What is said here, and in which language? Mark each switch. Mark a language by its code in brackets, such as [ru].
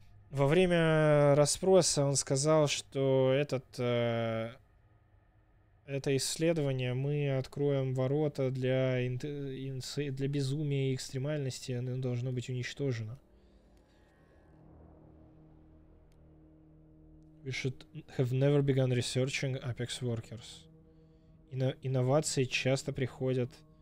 [ru] Во время расспроса он сказал, что этот... Это исследование, мы откроем ворота для, для безумия и экстремальности, оно должно быть уничтожено. [en] We should have never begun researching Apex Workers. [ru] Инновации часто приходят...